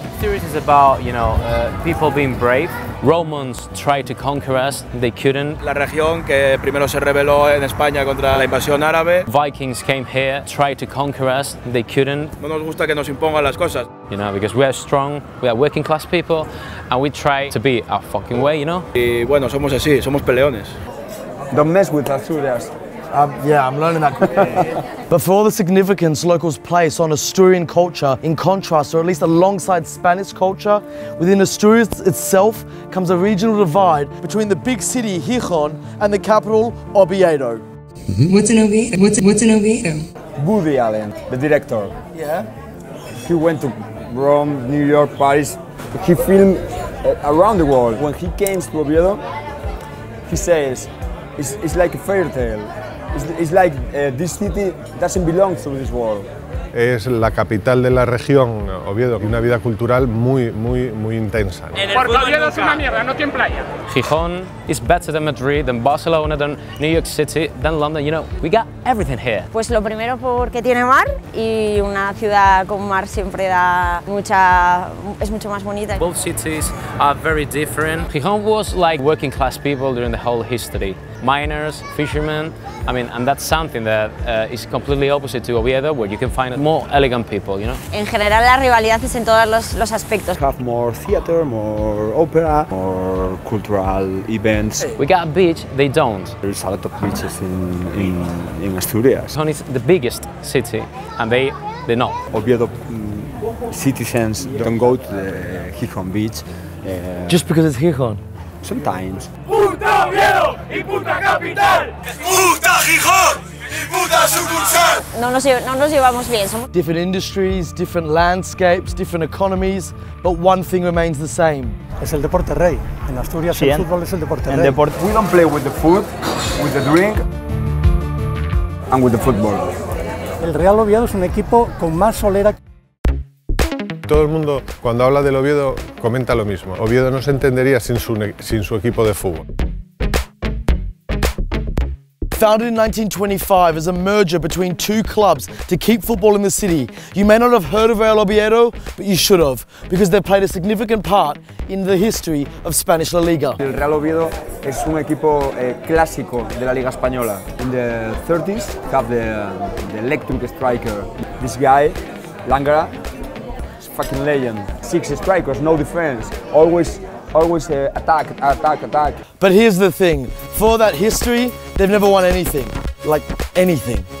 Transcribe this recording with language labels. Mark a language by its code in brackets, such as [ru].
[en] Asturias is about, you know, people being brave. Romans tried to conquer us, they couldn't. [es] La región que primero se rebeló en España contra la invasión árabe. [en] Vikings came here, tried to conquer us, they couldn't. [es] No nos gusta que nos impongan las cosas. [en] You know, because we are strong, we are working class people, and we try to be our fucking way, you know? [es] Y bueno, somos así, somos peleones. [en] Don't mess with Asturias. I'm learning that quickly. But for all the significance locals place on Asturian culture, in contrast, or at least alongside Spanish culture, within Asturias itself comes a regional divide between the big city, Gijón, and the capital, Oviedo. What's an Oviedo? Woody Allen, the director. Yeah? He went to Rome, New York, Paris. He filmed around the world. When he came to Oviedo, he says, it's like a fairy tale. It's like this city doesn't belong to this world. [es] Es la capital de la región, Oviedo, y una vida cultural muy, muy, muy intensa. Porque Oviedo es una mierda, no tiene playa. [en] Gijón is better than Madrid, than Barcelona, than New York City, than London. You know, we got everything here. [es] Pues lo primero porque tiene mar y una ciudad con mar siempre da mucha, es mucho más bonita. [en] Both cities are very different. Gijón was like working class people during the whole history. Miners, fishermen, I mean, and that's something that is completely opposite to Oviedo, where you can find more elegant people, you know? [es] En general, la rivalidad es en todos los aspectos. [en] Have more theater, more opera, more cultural events. We got a beach, they don't. There's a lot of beaches in Asturias. It's the biggest city, and they're not. Oviedo citizens don't go to the Gijón beach. Just because it's Gijón? Sometimes. [es] Puta Oviedo y puta capital. Puta Gijón y puta sucursal. No nos llevamos bien. [en] Different industries, different landscapes, different economies, but one thing remains the same. [es] Es el deporte rey. En Asturias el fútbol es el deporte rey. [en] We don't play with the food, with the drink, and with the football. [es] El Real Oviedo es un equipo con más solera. Todo el mundo, cuando habla del Oviedo, comenta lo mismo. Oviedo no se entendería sin su equipo de fútbol. [en] Founded in 1925 as a merger between two clubs to keep football in the city, you may not have heard of El Oviedo, but you should have, because they've played a significant part in the history of Spanish La Liga. [es] El Real Oviedo es un equipo clásico de la Liga Española. [en] In the 30s, you have the electric striker. This guy, Langara, is a fucking legend. Six strikers, no defense, always attack. But here's the thing, for that history, they've never won anything, like anything.